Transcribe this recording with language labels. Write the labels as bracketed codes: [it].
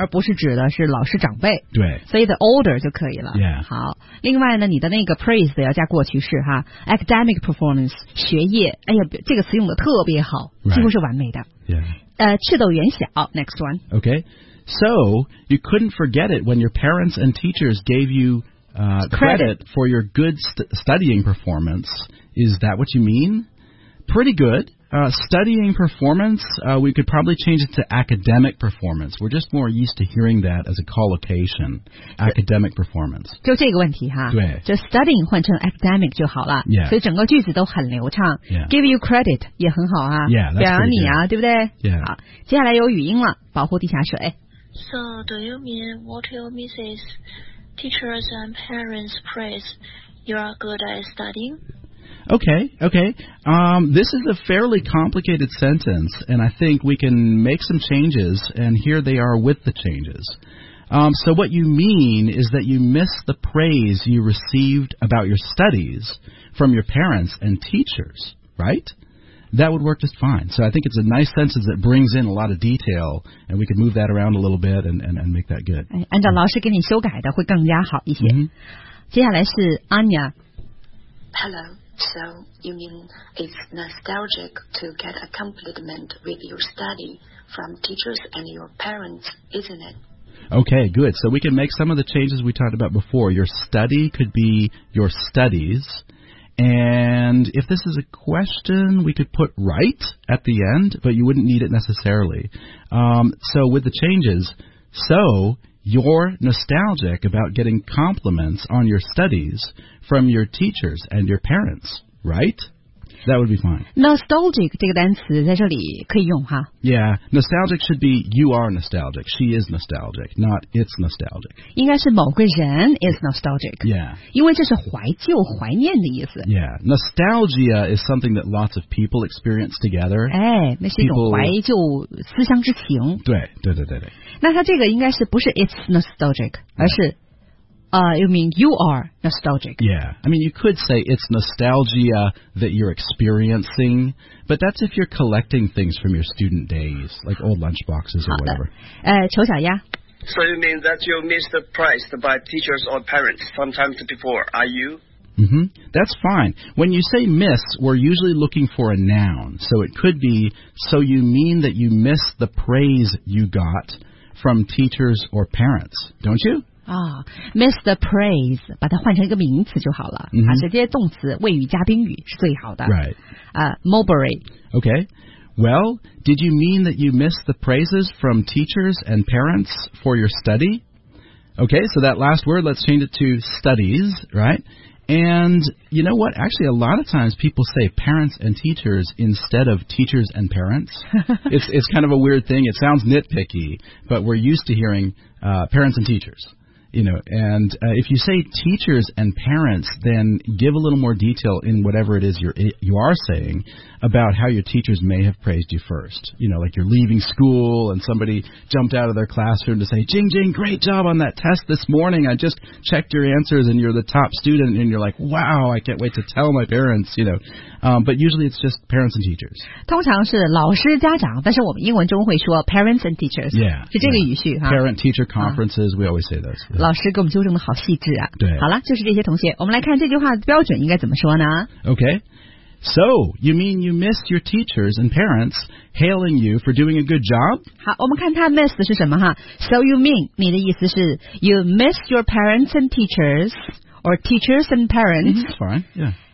[zh] 而不是指的是老师长辈。对。所以 [en] the older [zh] 就可以了。 [en] Yeah. [zh] 好。另外呢，你的那个 praised 要加过去式哈。 [en] Academic performance, [zh] 学业。哎呀，这个词用的特别好。 [en] Right. [zh] 几乎是完美的。 [en] Yeah. 赤豆圆小 next one. Okay, so you couldn't forget it when your parents and teachers gave you credit for your good studying performance. Is that what you mean? Pretty good. Studying performance, we could probably change it to academic performance. We're just more used to hearing that as a collocation, academic performance. [zh] 就这个问题哈，对，就 studying 换成 academic 就好了。 [en] Yeah. [zh] 所以整个句子都很流畅。 [en] Yeah. Give you credit [zh] 也很好啊。 [en] Yeah, [zh] 表扬你啊，对不对？ [en] Yeah. [zh] 好，接下来有语音了，保护地下水。 [en] So do you mean what you miss is teachers and parents praise you are good at studying? Okay. This is a fairly complicated sentence, and I think we can make some changes, and here they are with the changes. So what you mean is that you miss the praise you received about your studies from your parents and teachers, right? That would work just fine. So I think it's a nice sentence that brings in a lot of detail, and we can move that around a little bit and make that good. [zh] 按照老师给你修改的会更加好一些。接下来是 Anya. [en] Hello. So, you mean it's nostalgic to get a compliment with your study from teachers and your parents, isn't it? Okay, good. So, we can make some of the changes we talked about before. Your study could be your studies. And if this is a question, we could put right at the end, but you wouldn't need it necessarily. So, with the changes, so... You're nostalgic about getting compliments on your studies from your teachers and your parents, right? That would be fine. [zh] Nostalgic 这个单词在这里可以用哈。 [en] Yeah, nostalgic should be you are nostalgic, she is nostalgic, not it's nostalgic. [zh] 应该是某个人 is nostalgic. [en] Yeah. [zh] 因为这是怀旧怀念的意思。 [en] Yeah, nostalgia is something that lots of people experience together. [zh] 哎，那是一种怀旧思乡之情。对。那它这个应该是不是 [en] it's nostalgic, [zh] 而是 [en] You mean you are nostalgic. Yeah. I mean, you could say it's nostalgia that you're experiencing, but that's if you're collecting things from your student days, like old lunchboxes or whatever. [zh] 裘小鸭。 [en] So you mean that you missed the price by teachers or parents sometimes before, are you? Mm-hmm. That's fine. When you say miss, we're usually looking for a noun. So it could be, so you mean that you miss the praise you got from teachers or parents, don't you? [zh] Ah, [en] miss the praise, [zh] 把它换成一个名词就好了。 [en] Mm-hmm. [zh] 啊，直接动词谓语加宾语是最好的。 [en] Right. Mulberry. Okay. Well, did you mean that you miss the praises from teachers and parents for your study? Okay, so that last word, let's change it to studies, right? And you know what? Actually, a lot of times people say parents and teachers instead of teachers and parents. It's kind of a weird thing. It sounds nitpicky, but we're used to hearing parents and teachers. You know, and if you say teachers and parents, then give a little more detail in whatever it is you are saying about how your teachers may have praised you first. You know, like you're leaving school and somebody jumped out of their classroom to say, Jing Jing, great job on that test this morning. I just checked your answers and you're the top student. And you're like, wow, I can't wait to tell my parents, you know. But usually it's just parents and teachers. [zh] 通常是老师家长，但是我们英文中会说 [en] parents and teachers. Yeah. [zh] 是这个语序。 [en] Yeah. Parent teacher conferences, we always say those. [zh] 老师给我们纠正的好细致啊。对。好了，就是这些同学，我们来看这句话的标准应该怎么说呢 [en] ？Okay, so you mean you missed your teachers and parents hailing you for doing a good job? [zh] 好，我们看他 [en] miss [zh] 的是什么哈 [en] ？So you mean [zh] 你的意思是 [en] you missed your parents and teachers or teachers and parents? That's fine. Yeah.